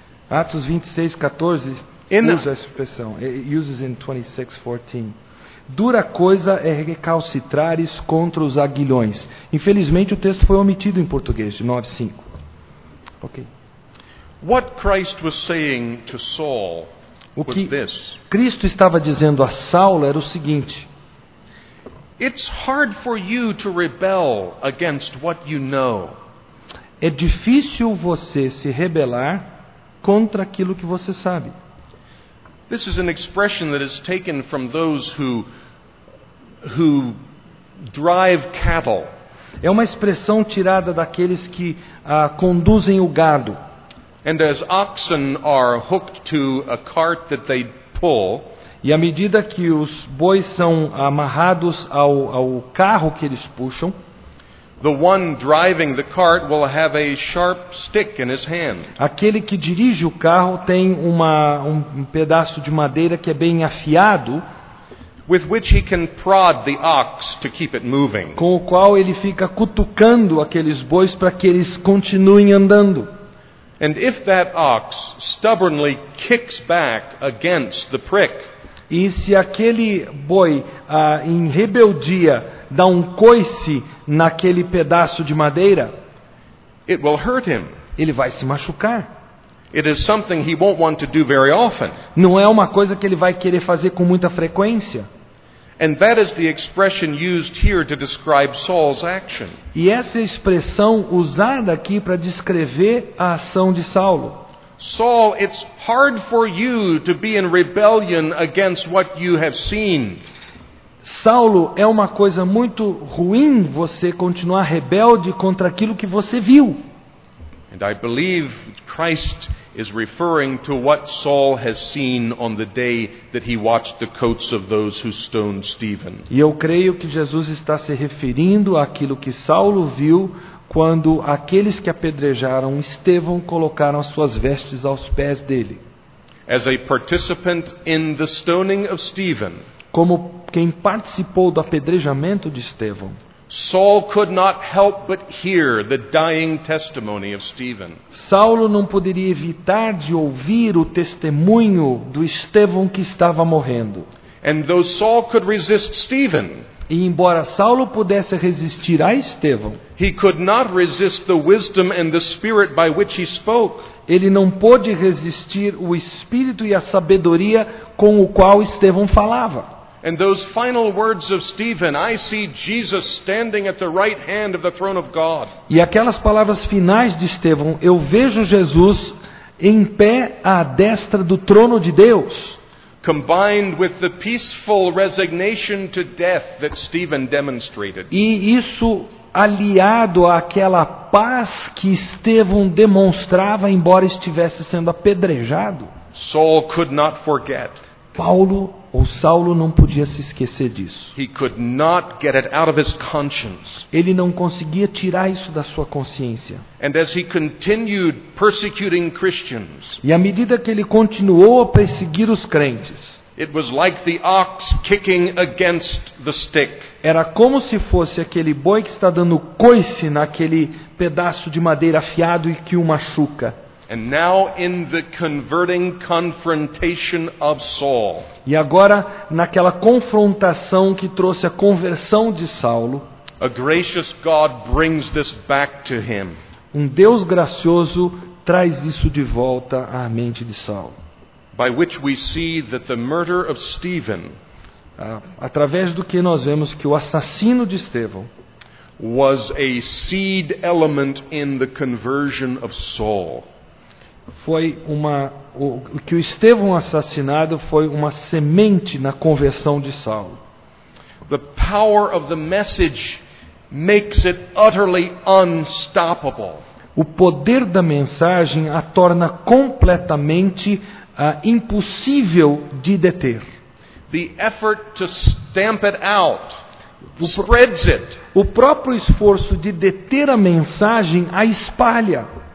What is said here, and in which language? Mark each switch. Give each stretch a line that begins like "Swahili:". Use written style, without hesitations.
Portuguese: Atos 26, 14 usa essa expressão.
English: It uses in 26, 14.
Portuguese: Dura coisa é recalcitrares contra os aguilhões. Infelizmente, o texto foi omitido em português, de 9:5. Ok.
English: What Christ was saying to Saul was this.
Portuguese: O que Cristo estava dizendo a Saulo era o seguinte.
English: It's hard for you to rebel against what you know.
Portuguese: É difícil você se rebelar contra aquilo que você sabe.
English: This is an expression that is taken from those who drive cattle.
Portuguese: É uma expressão tirada daqueles que conduzem o gado.
English: And as oxen are hooked to a cart that they pull,
Portuguese: e à medida que os bois são amarrados ao carro que eles puxam,
English: the one driving the cart will have a sharp stick in his hand.
Portuguese: Aquele que dirige o carro tem um pedaço de madeira que é bem afiado,
English: with which he can prod the ox to keep it moving.
Portuguese: Com o qual ele fica cutucando aqueles bois para que eles continuem andando.
English: And if that ox stubbornly kicks back against the prick,
Portuguese: e se aquele boi, em rebeldia, dá um coice naquele pedaço de madeira,
English: it will hurt him.
Portuguese: Ele vai se machucar.
English: It is something he won't want to do very often.
Portuguese: Não é uma coisa que ele vai querer fazer com muita frequência.
English: And that is the expression used here to describe Saul's action.
Portuguese: E essa é a expressão usada aqui para descrever a ação de Saulo.
English: Saul, it's hard for you to be in rebellion against what you have seen.
Portuguese: Saulo, é uma coisa muito ruim você continuar rebelde contra aquilo que você viu.
English: And I believe Christ is referring to what Saul has seen on the day that he watched the coats of those who stoned Stephen.
Portuguese: E eu creio que Jesus está se referindo àquilo que Saulo viu quando aqueles que apedrejaram Estevão colocaram as suas vestes aos pés dele.
English: As a participant in the stoning of Stephen.
Portuguese: Como quem participou do apedrejamento de Estevão.
English: Saul could not help but hear the dying testimony of Stephen.
Portuguese: Saulo não poderia evitar de ouvir o testemunho do Estevão que estava morrendo.
English: And though Saul could resist Stephen,
Portuguese: e embora Saulo pudesse resistir a Estevão,
English: he could not resist the wisdom and the spirit by which he spoke.
Portuguese: Ele não pôde resistir o espírito e a sabedoria com o qual Estevão falava.
English: And those final words of Stephen, I see Jesus standing at the right hand of the throne of God.
Portuguese: E aquelas palavras finais de Estevão, eu vejo Jesus em pé à destra do trono de Deus.
English: Combined with the peaceful resignation to death that Stephen demonstrated.
Portuguese: E isso aliado àquela paz que Estevão demonstrava embora estivesse sendo apedrejado.
English: Saul could not forget.
Portuguese: Paulo ou Saulo não podia se esquecer disso.
English: He could not get it out of his conscience.
Portuguese: Ele não conseguia tirar isso da sua consciência.
English: And as he continued persecuting Christians,
Portuguese: e à medida que ele continuou a perseguir os crentes,
English: it was like the ox kicking against the stick.
Portuguese: Era como se fosse aquele boi que está dando coice naquele pedaço de madeira afiado e que o machuca.
English: And now in the converting confrontation of Saul.
Portuguese: E agora naquela confrontação que trouxe a conversão de Saulo.
English: A gracious God brings this back to him.
Portuguese: Um Deus gracioso traz isso de volta à mente de Saulo.
English: By which we see that the murder of Stephen.
Portuguese: Através do que nós vemos que o assassino de Estevão
English: was a seed element in the conversion of Saul.
Portuguese: Foi uma, o que o Estevão assassinado foi uma semente na conversão de Saulo.
English: The power of the message makes it utterly unstoppable.
Portuguese: O poder da mensagem a torna completamente impossível de deter.
English: The effort to stamp it out spreads it.
Portuguese: O próprio esforço de deter a mensagem a espalha.